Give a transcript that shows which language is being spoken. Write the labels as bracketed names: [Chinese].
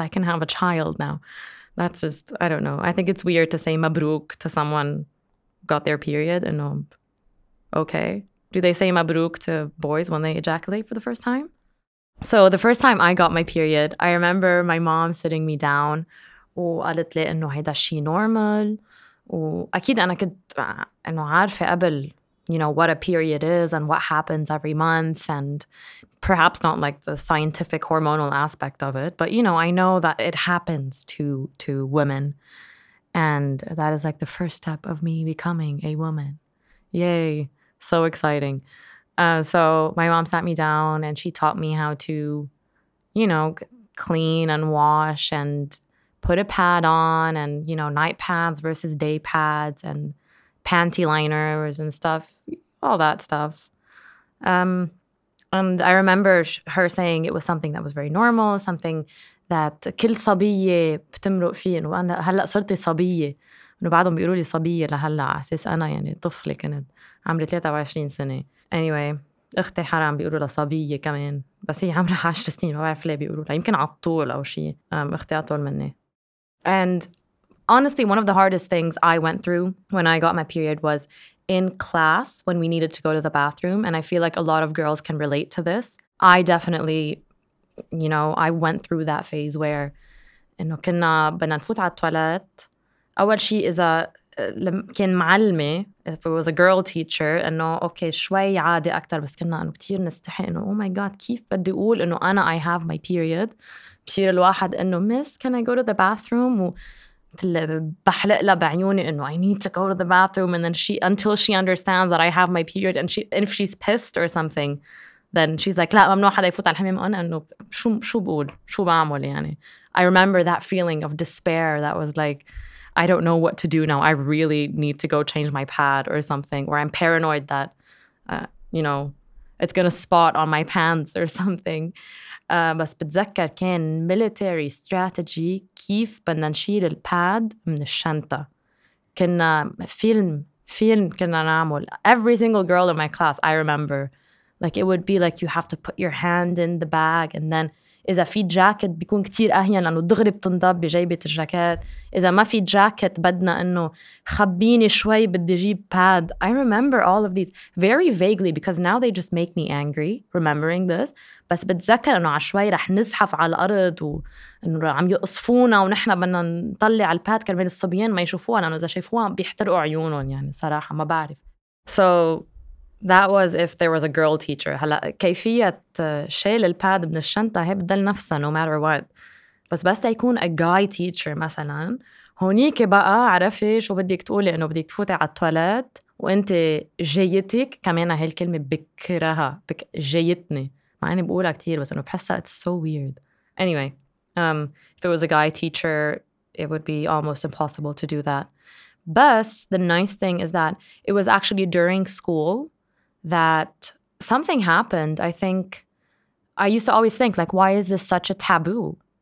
[English] I can have a child now. That's just, I don't know. I think it's weird to say mabruk to someone got their period and okay. Do they say mabruk to boys when they ejaculate for the first time? So the first time I got my period, I remember my mom sitting me down. [Arabic] وقالت لي إنه هيدا شي normal. وأكيد أنا كنت إنه عارفة قبل, [English] you know, what a period is and what happens every month, and perhaps not like the scientific hormonal aspect of it, but you know, I know that it happens to women. And that is like the first step of me becoming a woman. Yay. So exciting. So my mom sat me down and she taught me how to, you know, clean and wash and put a pad on and, you know, night pads versus day pads and panty liners and stuff, all that stuff. And I remember her saying it was something that was very normal, something that [Arabic] كل صبية بتمرق فيه. وأنا هلأ صرتي صبية. وبعضهم بيقولوا لي صبية لهلأ عساس أنا يعني طفلة كانت عمري 23 سنة. [English] Anyway, [Arabic] أختي حرام بيقولوا لها صبية كمان. بس هي عمرها 10 سنين ما بعرف ليه بيقولوا لها. يمكن عطول أو شيء. أختي عطول مني. [English] And honestly, one of the hardest things I went through when I got my period was in class when we needed to go to the bathroom. And I feel like a lot of girls can relate to this. I definitely, you know, I went through that phase where [Arabic] إنه كنا بدنا نفوت على التواليت. أول شيء إذا كان معلمي, [English] if it was a girl teacher, [Arabic] إنه أوكي شوي عادي أكتر, بس كنا إنه كتير نستحي إنه [English] oh my god [Arabic] كيف بدي أقول إنه أنا [English] I have my period. [Arabic] بصير الواحد إنه [English] miss can I go to the bathroom, [Arabic] وبحلق لها بعيوني إنه [English] I need to go to the bathroom, and then until she understands that I have my period, and if she's pissed or something, then she's like, [Arabic] لا ممنوع حدا يفوت على الحمام. أنا إنه شو بقول شو بعمل يعني. [English] I remember that feeling of despair that was like, I don't know what to do now. I really need to go change my pad or something. Or I'm paranoid that, you know, it's going to spot on my pants or something. [Arabic] بس بتذكر كان [English] military strategy [Arabic] كيف بدنا نشيل الباد من الشنطة. كنا فيلم كنا نعمل. [English] Every single girl in my class, I remember, Like it would be like you have to put your hand in the bag and then [Arabic] إذا في جاكيت بيكون كتير أهين لأنه دغري بتنضب بجيبة الجاكيت. إذا ما في جاكيت بدنا أنه خبيني شوي بدي جيب باد. [English] I remember all of these very vaguely because now they just make me angry remembering this. [Arabic] بس بتذكر أنه عشوائي رح نزحف على الأرض وأنه عم يقصفونا ونحن بدنا نطلع الباد كرمال الصبيان ما يشوفوها لأنه إذا شايفوها بيحترقوا عيونهم يعني صراحة ما بعرف. [English] So that was if there was a girl teacher. [Arabic] هلأ كيفية شيل الباد من الشنطة هي بدل نفسها [English] no matter what. [Arabic] بس يكون [English] a guy teacher [Arabic] مثلا هونيك بقى عرفي شو بديك تقولي انه بديك تفوتي على التواليت وانت جيتك كمان هاي الكلمة بكرها جيتني مع اني بقولها كتير بس انه بحسها [English] it's so weird. Anyway, if it was a guy teacher it would be almost impossible to do that. But the nice thing is that it was actually during school that something happened. I think I used to always think, like, why is this such a taboo?